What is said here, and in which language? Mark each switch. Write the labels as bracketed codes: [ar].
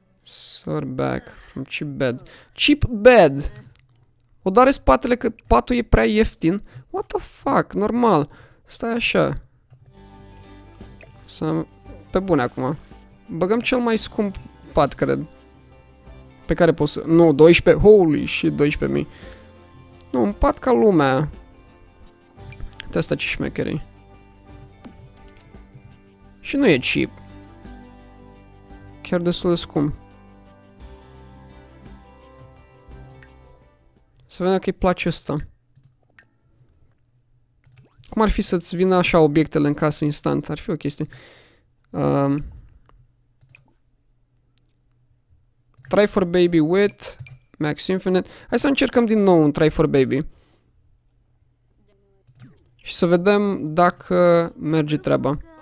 [en] Sore back from cheap bed. Cheap bed! [ro] O doare spatele că patul e prea ieftin? [en] What the fuck? [ro] Normal. Stai așa. Să... Pe bune acum. Băgăm cel mai scump pat, cred. Pe care pot să... Nu, 12. [en] Holy shit, [ro] 12.000. Nu, un pat ca lumea. Uite asta ce șmecherii. Și nu e cheap. Chiar destul de scump. Să vedem că îi place asta. Cum ar fi să-ți vină așa obiectele în casă instant? Ar fi o chestie. [en] Try for baby with Max Infinite. [ro] Hai să încercăm din nou un [en] try for baby. [ro] Și să vedem dacă merge treaba.